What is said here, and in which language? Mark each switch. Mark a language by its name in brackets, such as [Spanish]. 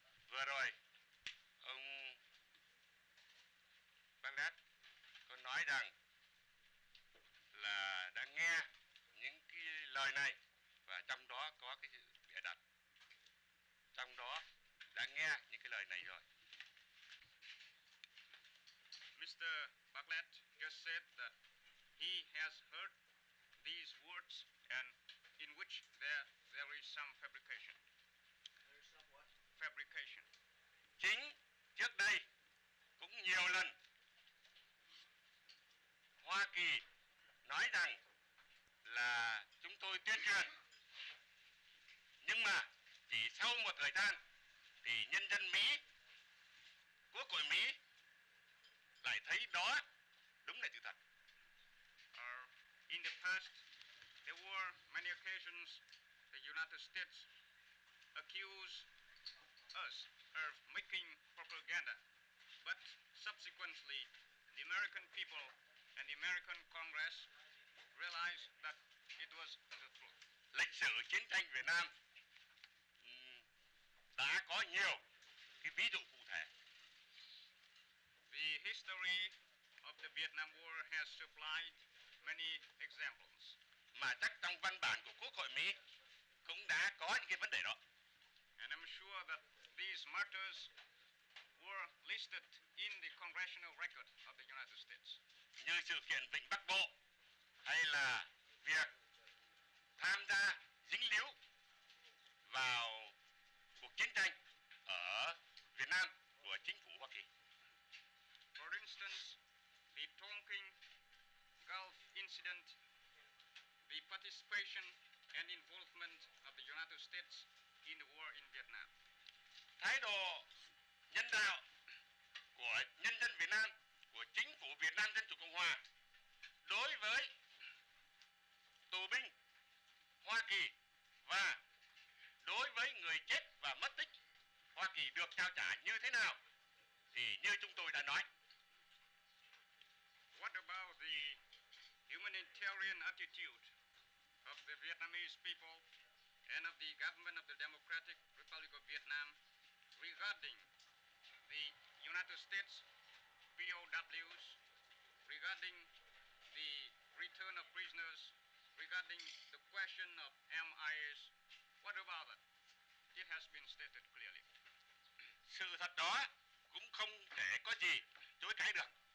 [Vietnamese] Vừa rồi ông Bernard có nói rằng là đã nghe những cái lời này và trong đó có cái sự bịa đặt, trong đó đã nghe những cái lời này rồi. [English] Mr. Bartlett just said that he has heard these words and in which there is some fabrication. There is some what? Fabrication. [Vietnamese] Chính trước đây cũng nhiều lần Hoa Kỳ nói rằng là chúng tôi tuyên truyền, nhưng mà chỉ sau một thời gian thì nhân dân Mỹ, quốc hội Mỹ lại thấy đó đúng là sự thật. [English] In the past, there were many occasions the United States accused us of making propaganda, but subsequently, the American people and the American Congress realized that it was the truth. [Vietnamese] Lịch sử chiến tranh Việt Nam đã có nhiều cái ví dụ cụ thể. [English] The history of the Vietnam War has supplied many examples. [Vietnamese] Mà chắc trong văn bản của Quốc hội Mỹ cũng đã có những cái vấn đề đó. [English] And I'm sure that these matters were listed in the congressional record of the United States. [Vietnamese] Như sự kiện Vịnh Bắc Bộ hay là việc tham gia dính líu vào cuộc chiến tranh ở Việt Nam của chính phủ Hoa Kỳ. [English] For instance, the Tonkin Gulf incident, the participation and involvement of the United States in the war in Vietnam. [Vietnamese] Thái độ nhân đạo của nhân dân Việt Nam, của chính phủ Việt Nam Dân Chủ Cộng Hòa đối với tù binh Hoa Kỳ và đối với người chết và mất tích Hoa Kỳ được trao trả như thế nào? Thì như chúng tôi đã nói. [English] What about the humanitarian attitude of the Vietnamese people and of the government of the Democratic Republic of Vietnam regarding the United States POWs, regarding the return of prisoners, regarding the question of MIAs? What about that? It has been stated clearly. [Vietnamese] Sự thật đó cũng không thể có gì chối cãi được.